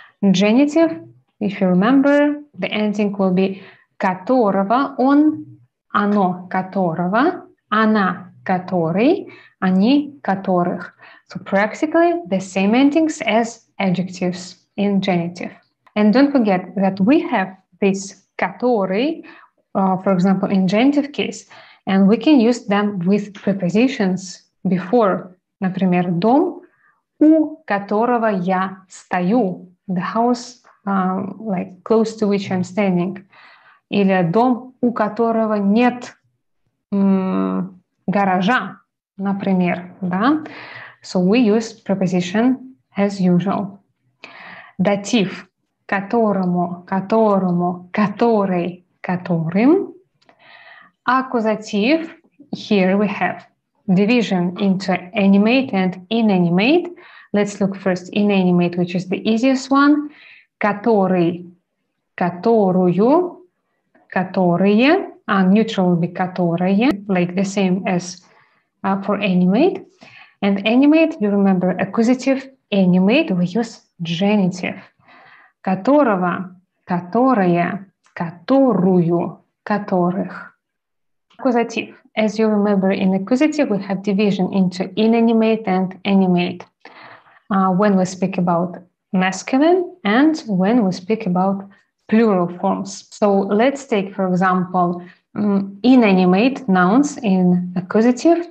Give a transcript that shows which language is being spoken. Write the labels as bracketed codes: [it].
[en] Genitive, if you remember, the ending will be [ru] которого, он, оно, которого, она, который, они, которых. [en] So practically the same endings as adjectives in genitive. And don't forget that we have this который, for example, in genitive case, and we can use them with prepositions before. [ru] Например, дом, у которого я стою. [en] The house, like close to which I'm standing. [ru] Или дом, у которого нет гаража, например. Да? [en] So we use preposition as usual. [ru] Датив, которому, которому, который, которым. [en] Аккузатив, here we have division into animate and inanimate. Let's look first inanimate, which is the easiest one. [ru] Который, которую, которые, [en] and neutral will be [ru] которые, [en] like the same as for animate. And animate, you remember, accusative, animate, we use genitive. [ru] Которого, которые, которую, которых. [en] Accusative. As you remember, in accusative, we have division into inanimate and animate. When we speak about masculine and when we speak about plural forms. So let's take, for example, inanimate nouns in accusative.